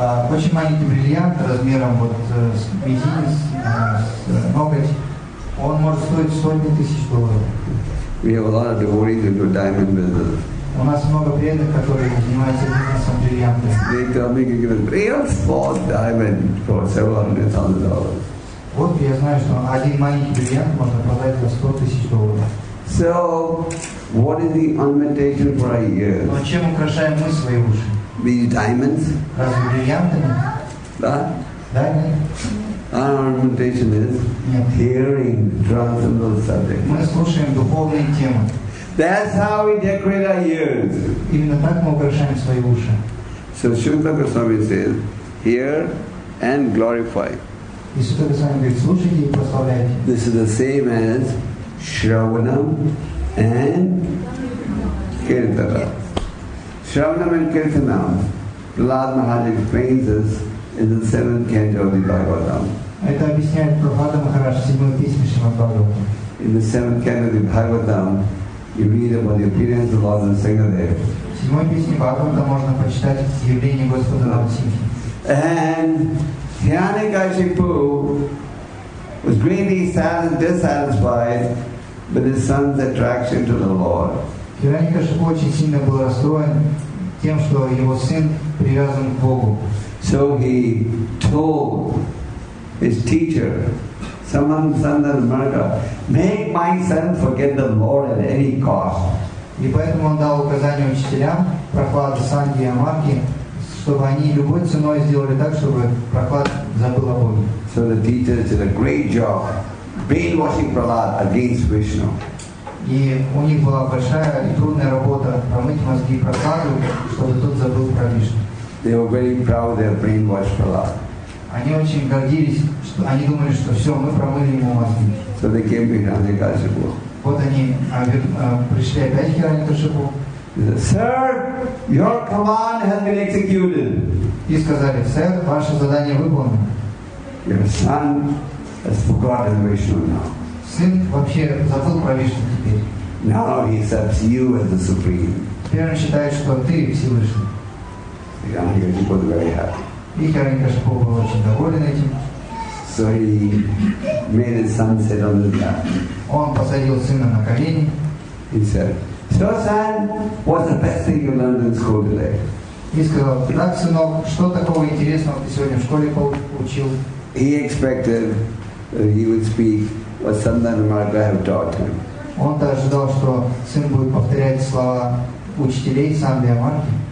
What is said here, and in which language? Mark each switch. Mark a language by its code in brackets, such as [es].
[ru] Очень маленький бриллиант размером вот с мизинец, ноготь, он может стоить сотни тысяч долларов. [en] We have a lot of devotees into diamond business. [ru] У нас много преданных, которые занимаются бизнесом бриллиантами. [en] They tell me you can get a real false diamond for $700,000. [ru] Вот я знаю, что один маленький бриллиант можно продать за 100 тысяч долларов. [en] So, what is the ornamentation for our ears? [ru] Но чем украшаем мы свои уши? [en] These diamonds? [ru] Разве бриллиантами? Да? Да, [en] our ornamentation is [ru] нет. [en] Hearing transcendental subjects. [ru] Мы слушаем духовные темы. [en] That's how we decorate our ears. [ru] Именно так мы украшаем свои уши. [en] So Śrīla Goswami says, hear and glorify. [ru] И Śrīla Goswami говорит, слушайте и прославляйте. [en] This is the same as Śravanam and Kirtana. Śravanam and Kirtana, Prahlāda Mahārāja explains this in the seventh canto of the Bhagavatam. [ru] Это объясняет Прахлада Махарадж в седьмой письме Шримад Бхагаватам. [en] In the seventh canto of the Bhagavatam, you read about the appearance of Lord and Singhadev. [ru] Седьмой песне Бхагавата можно почитать явление Господа на Сингхе. [en] And Hiranyakashipu was greatly dissatisfied with his son's attraction to the Lord. [ru] Hiranyakashipu очень сильно был расстроен тем, что его сын привязан к Богу. [en] So he told his teacher, Saman Sandar Marga, make my son forget the Lord at any cost. [ru] И поэтому он дал указание учителям Прохлады Санги и Амарги, чтобы они любой ценой сделали так, чтобы Прохлад забыл о Боге. [en] So the teacher did a great job brainwashing Prahlad against Vishnu. [ru] И у них была большая и трудная работа промыть мозги Прохладу, чтобы тот забыл про Вишну. [en] They were very proud they brainwashed Prahlad. [ru] Они очень гордились, что они думали, что все, мы промыли ему мозги. [en] So they came to Hiranyakashipu. [ru] Вот они пришли опять к Hiranyakashipu. [en] Sir, your command has been executed. [ru] И сказали, сэр, ваше задание выполнено. [en] Your son has forgotten Vishnu now. [ru] Сын вообще забыл про Вишну теперь. [en] Now he accepts you as the supreme. [ru] Теперь он считает, что ты Всевышний. [en] Hiranyakashipu was very happy. [ru] И Hiranyakashipu был очень доволен этим. [en] So he made his son sit on his lap. [ru] Он посадил сына на колени. [en] He said, so son, what's the best thing you learned in school today? [ru] И сказал, так, сынок, что такого интересного ты сегодня в школе получил? [en] He expected that he would speak what Sandana Marga have taught him. [ru] Он-то ожидал, что сын будет повторять слова учителей Сандхи-Амарги.